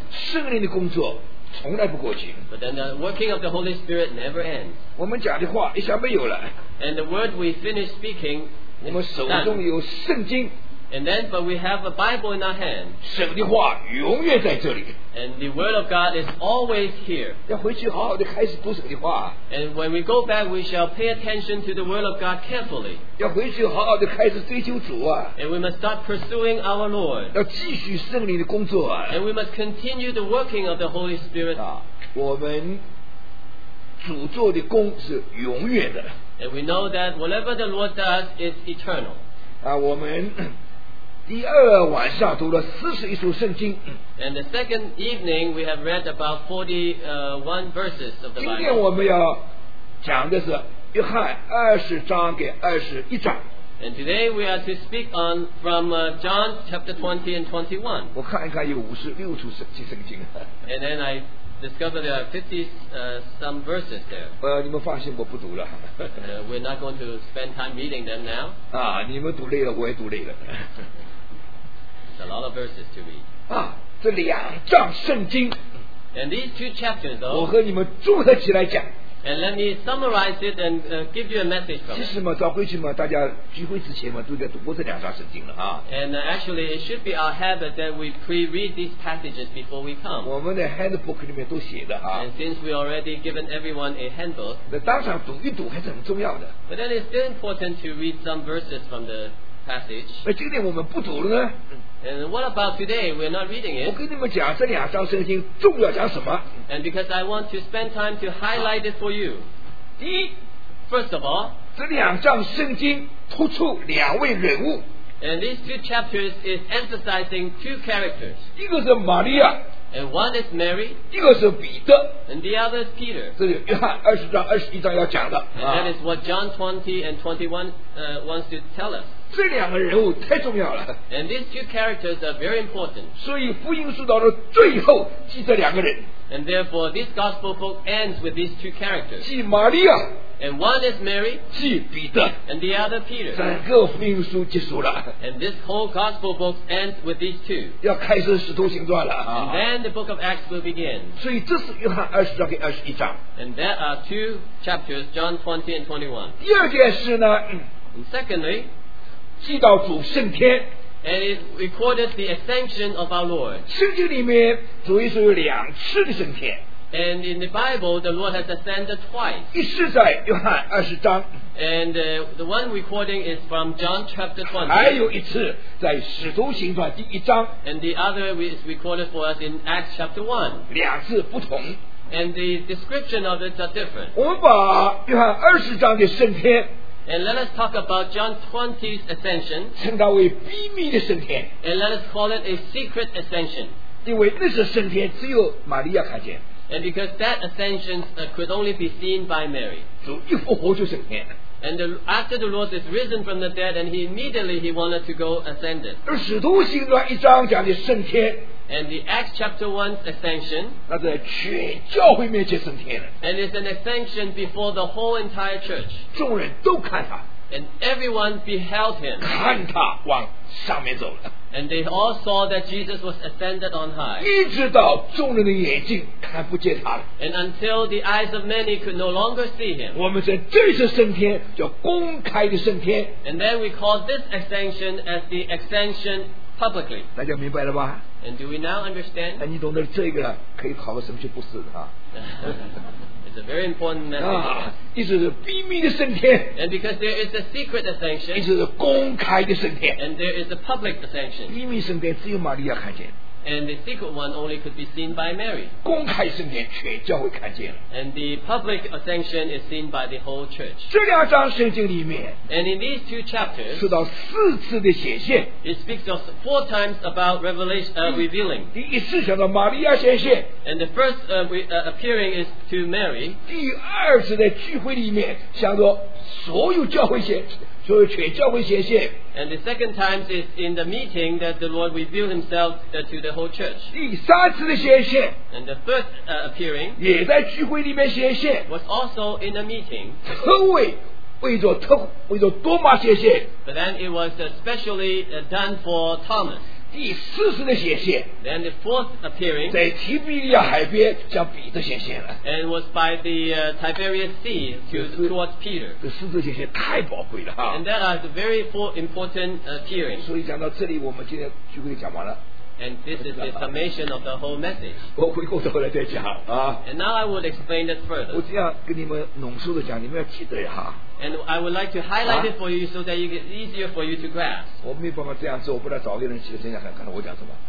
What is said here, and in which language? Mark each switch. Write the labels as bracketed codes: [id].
[zh] 圣灵的工作从来不过去。 [en] But then the working of the Holy Spirit never ends. [zh] 我们讲的话一下没有了。 [en] And the word we finish speaking. [zh] 我们手中有圣经。 [en] And then, but we have a Bible in our hand. [zh] 神的话永远在这里。 [en] And the word of God is always here. [zh] 要回去好好地开始读神的话。 [en] And when we go back, we shall pay attention to the word of God carefully. [zh] 要回去好好地开始追求主啊。 [en] And we must start pursuing our Lord. [zh] 要继续圣灵的工作啊。 [en] And we must continue the working of the Holy Spirit. [zh] 啊，我们主做的工是永远的。 [en] And we know that whatever the Lord does is eternal. [zh] 啊，我们第二晚上读了四十一首圣经。 [en] And the second evening we have read about 41 verses of the Bible. [zh] 今天我们要讲的是约翰二十章给二十一章。 [en] And today we are to speak on from John chapter 20 and 21. [zh] 我看一看有五十六处圣经。 [en] And then I discovered there are 50 some verses there. [zh] 你们放心，我不读了。 [en] We're not going to spend time reading them now. [zh] 啊，你们读累了，我也读累了。 [en] A lot of verses to read. [zh] 啊，这两章圣经。 [en] And these two chapters, though, [zh] 我和你们综合起来讲。 [en] And let me summarize it and give you a message from it. [zh] 其实嘛，早回去嘛，大家聚会之前嘛，都应该读过这两章圣经了啊。 [en] And actually, it should be our habit that we pre-read these passages before we come. [zh] 我们的 handbook 里面都写的啊。 [en] And since we already given everyone a handbook, [zh] 那当场读一读还是很重要的。 [en] But then it's still important to read some verses from the passage. [zh] 那今天我们不读了呢？ [en] And what about today? We're not reading it. [zh] 我跟你们讲这两章圣经重要讲什么。 [en] And because I want to spend time to highlight it for you. [zh] 第一， [en] First of all, [zh] 这两章圣经突出两位人物。 [en] And these two chapters is emphasizing two characters. [zh] 一个是玛利亚。 [en] And one is Mary. [zh] 一个是彼得。 [en] And the other is Peter. [zh] 这是约翰二十章二十一章要讲的。 [en] And that is what John 20 and 21 wants to tell us. [zh] 这两个人物太重要了。 [en] And these two characters are very important. [zh] 所以福音书到了最后记这两个人。 [en] And therefore, this gospel book ends with these two characters. [zh] 记玛利亚。 [en] And one is Mary. [zh] 记彼得。 [en] And the other Peter. [zh] 整个福音书结束了。 [en] And this whole gospel book ends with these two. [zh] 要开始使徒行传了。 [en] And then the book of Acts will begin. [zh] 所以这是约翰二十章跟二十一章。 [en] And there are two chapters, John 20 and 21. [zh] 第二件事呢。 [en] And secondly, [zh] 记到主升天。 [en] And it recorded the ascension of our Lord. [zh] 圣经里面主耶稣有两次的升天。 [en] And in the Bible, the Lord has ascended twice. [zh] 一次在约翰二十章。 [en] And the one recording is from John chapter 20. [zh] 还有一次在使徒行传第一章。 [en] And the other is recorded for us in Acts chapter 1. [zh] 两次不同。 [en] And the description of it are different. [zh] 我们把约翰二十章的升天。 [en] And let us talk about John 20's ascension. [zh] 称它为秘密的升天。 [en] And let us call it a secret ascension. [zh] 因为那是升天，只有玛利亚看见。 [en] And because that ascension could only be seen by Mary. [zh] 主一复活就升天。 [en] And after the Lord is risen from the dead, and he immediately wanted to go ascended. [zh] 而使徒行传一章讲的升天。 [en] And the Acts chapter 1's ascension. [zh] 那在全教会面前升天了。 [en] And it's an ascension before the whole entire church. [zh] 众人都看他。 [en] And everyone beheld him. [zh] 看他往上面走了。 [en] And they all saw that Jesus was ascended on high. [zh] 一直到众人的眼睛看不见他了。 [en] And until the eyes of many could no longer see him. [zh] 我们在这次升天叫公开的升天。 [en] And then we call this ascension as the ascension publicly. [zh] 大家明白了吧？ [en] And do we now understand? [zh] 哎，你懂得这个可以考个神学博士啊。 [en] It's a very important message. [zh] 啊，意思是秘密的升天。 [en] And because there is a secret ascension. [zh] 意思是公开的升天。 [en] And there is a public ascension. [zh] 秘密升天只有玛利亚看见。 [en] And the secret one only could be seen by Mary. [zh] 公开升天全教会看见了。 [en] And the public ascension is seen by the whole church. [zh] 这两章圣经里面。 [en] And in these two chapters. [zh] 说到四次的显现。 [en] It speaks of four times about revelation, revealing. [zh] 第一次讲到玛利亚显现。 [en] And the first appearing is to Mary. [zh] 第二次在聚会里面讲到所有教会显所有全教会显现。 [en] And the second time is in the meeting that the Lord revealed himself to the whole church. [zh] 第三次的显现。 [en] And the third appearing [zh] 也在聚会里面显现。 [en] Was also in a meeting. [zh] 称为为着多马显现。 [en] But then it was especially done for Thomas. [zh] 第四次的显现 [en] then the fourth appearing, [zh] 在提比利亚海边向彼得显现了 [en] and was by the Tiberias Sea towards Peter [zh] 这四次显现太宝贵了、啊、 [en] and that are the very four important appearing [zh] 所以讲到这里我们今天聚会讲完了 [en] And this is the summation of the whole message. [zh] 我回过头来再讲、啊、 [en] And now I will explain this further. [zh] 我这样跟你们浓缩的讲，你们要记得哈。 [en] And I would like to highlight、啊、it for you so that it is easier for you to grasp. [zh] 我没办法这样做，我不然找个人去真想看看我讲什么。